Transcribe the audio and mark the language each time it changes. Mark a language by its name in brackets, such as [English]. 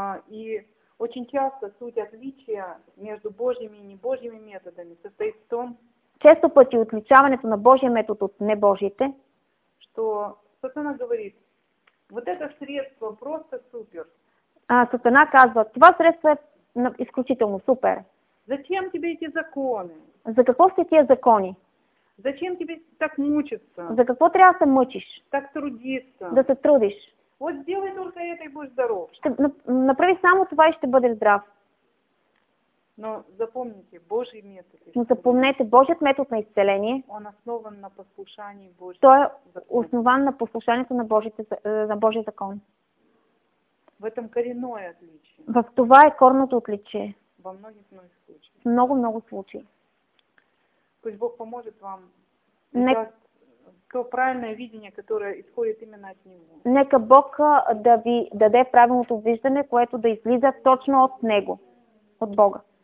[Russian] И очень часто суть отличия между Божьими и небожьими методами состоит в том, [Bulgarian] често пъти отличаването на Божия метод от небожите, [Russian] что сатана говорит, вот это средство просто супер. [Bulgarian] Сатана казва, това средство е изключително супер. [Russian] Зачем тебе эти законы? [Bulgarian] За какво сте тия закони? [Russian] Зачем тебе так мучиться? [Bulgarian] За какво трябва се мъчиш? [Russian] Так трудиться. [Bulgarian] Да се трудиш. [Russian] Вот сделай только это и будешь здоров. [Bulgarian] Направи само това и ще бъдеш здрав. [Russian] Но запомните Божий метод. [Bulgarian] Но запомнете Божият метод на исцеление. [Russian] Он основан на послушании Божьего. [Bulgarian] Той е основан на послушанието на Божите, на Божий закон. [Russian] В этом коренное отличие. [Bulgarian] В това е корното отличие. [Russian] Во многих случаях. [Bulgarian] Много-много [Russian] случаев. Пусть Бог поможет вам. То правильное видение, которое исходит именно от Него. [Bulgarian] Нека Бог да ви даде правилното виждане, което да излиза точно от Него, от Бога.